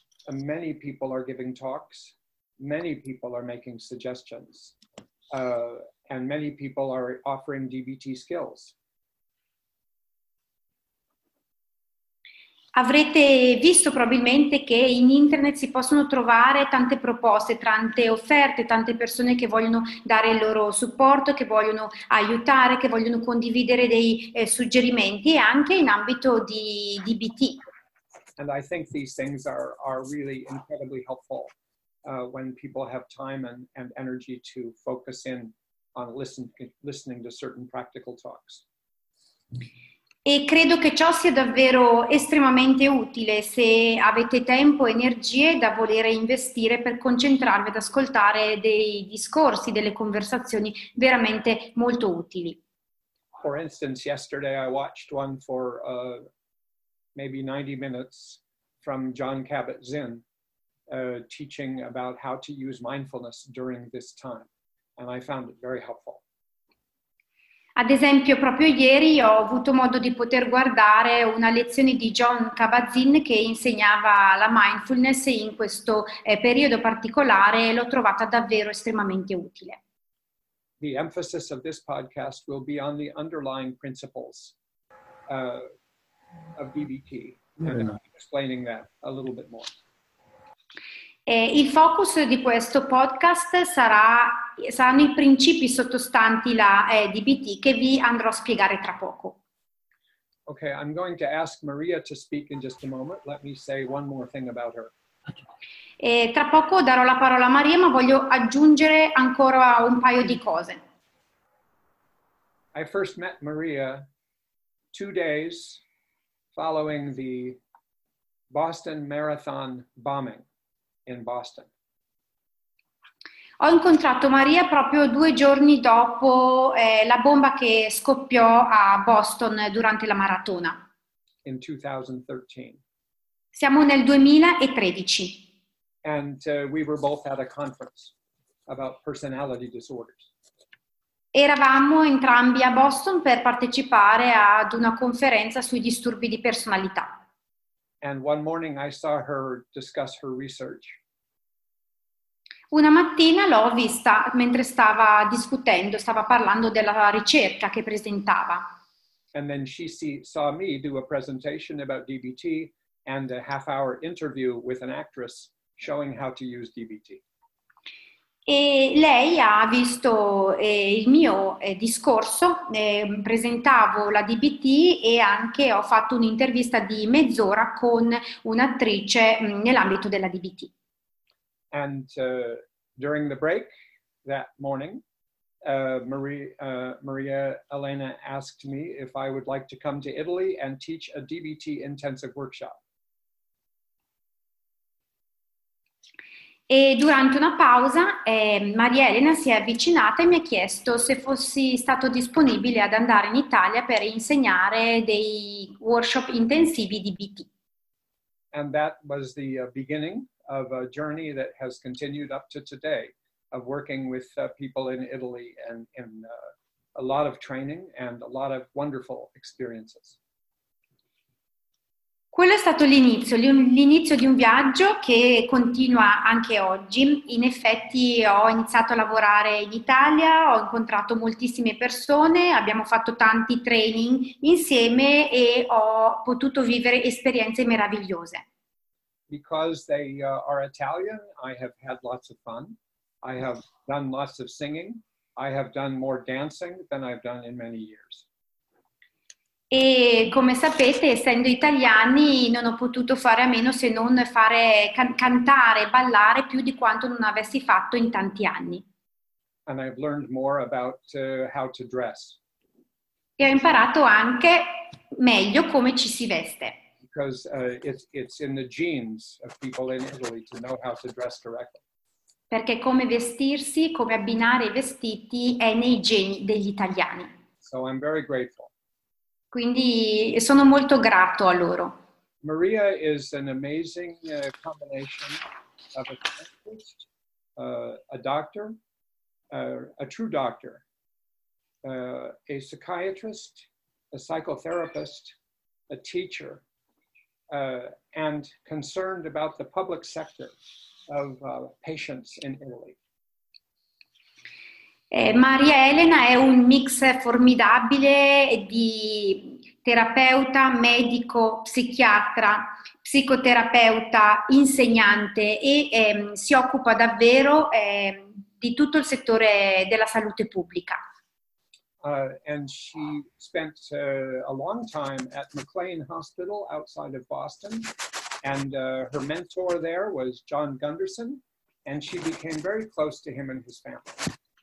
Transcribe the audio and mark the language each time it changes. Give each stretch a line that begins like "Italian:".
English: Many people are giving talks, many people are making suggestions, and many people are offering DBT skills.
Italian: Avrete visto probabilmente che in internet si possono trovare tante proposte, tante offerte, tante persone che vogliono dare il loro supporto, che vogliono aiutare, che vogliono condividere dei suggerimenti anche in ambito di DBT.
English: And I think these things are really incredibly helpful when people have time and energy to focus in on listening to certain practical talks.
Italian: E credo che ciò sia davvero estremamente utile se avete tempo e energie da volere investire per concentrarvi ad ascoltare dei discorsi, delle conversazioni veramente molto utili.
English: For instance, yesterday I watched one for maybe 90 minutes from Jon Kabat-Zinn teaching about how to use mindfulness during this time. And I found it very helpful.
Italian: Ad esempio, proprio ieri ho avuto modo di poter guardare una lezione di Jon Kabat-Zinn che insegnava la mindfulness in questo periodo particolare e l'ho trovata davvero estremamente utile.
English: The emphasis of this podcast will be on the underlying principles of DBT, and explaining that a little bit more.
Italian: Il focus di questo podcast sarà saranno i principi sottostanti la DBT che vi andrò a spiegare tra poco.
English: Okay, I'm going to ask Maria to speak in just a moment. Let me say one more thing about her.
Italian: E tra poco darò la parola a Maria, ma voglio aggiungere ancora un paio di cose.
English: I first met Maria 2 days following the Boston Marathon bombing in Boston.
Italian: Ho incontrato Maria proprio 2 giorni dopo la bomba che scoppiò a Boston durante la maratona.
English: In 2013.
Italian: Siamo nel 2013.
English: And we were both at a conference about personality disorders.
Italian: Eravamo entrambi a Boston per partecipare ad una conferenza sui disturbi di personalità.
English: And one morning I saw her discuss her research.
Italian: Una mattina l'ho vista mentre stava discutendo, stava parlando della ricerca che presentava.
English: And then she saw me do a presentation about DBT and a half hour interview with an actress showing how to use DBT.
Italian: E lei ha visto il mio discorso, presentavo la DBT e anche ho fatto un'intervista di mezz'ora con un'attrice nell'ambito della DBT.
English: And during the break that morning, Maria Elena asked me if I would like to come to Italy and teach a DBT intensive workshop.
Italian: E durante una pausa Maria Elena si è avvicinata e mi ha chiesto se fossi stato disponibile ad andare in Italia per insegnare dei workshop intensivi di BT.
English: And that was the beginning of a journey that has continued up to today of working with people in Italy and in a lot of training and a lot of wonderful experiences.
Italian: Quello è stato l'inizio di un viaggio che continua anche oggi. In effetti ho iniziato a lavorare in Italia, ho incontrato moltissime persone, abbiamo fatto tanti training insieme e ho potuto vivere esperienze meravigliose.
English: Because they are Italian, I have had lots of fun. I have done lots of singing. I have done more dancing than I've done in many years.
Italian: E come sapete, essendo italiani, non ho potuto fare a meno se non fare cantare, ballare più di quanto non avessi fatto in tanti anni.
English: And I've learned more about how to dress.
Italian: E ho imparato anche meglio come ci si veste.
English: Because it's in the genes of people in Italy to know how to dress correctly.
Italian: Perché come vestirsi, come abbinare i vestiti è nei geni degli italiani.
English: So I'm very grateful.
Italian: Quindi sono molto grato a loro.
English: Maria is an amazing combination of a scientist, a doctor, a true doctor, a psychiatrist, a psychotherapist, a teacher, and concerned about the public sector of patients in Italy.
Italian: Maria Elena è un mix formidabile di terapeuta, medico, psichiatra, psicoterapeuta, insegnante e si occupa davvero di tutto il settore della salute pubblica.
English: And she spent a long time at McLean Hospital outside of Boston and her mentor there was John Gunderson and she became very close to him and his family.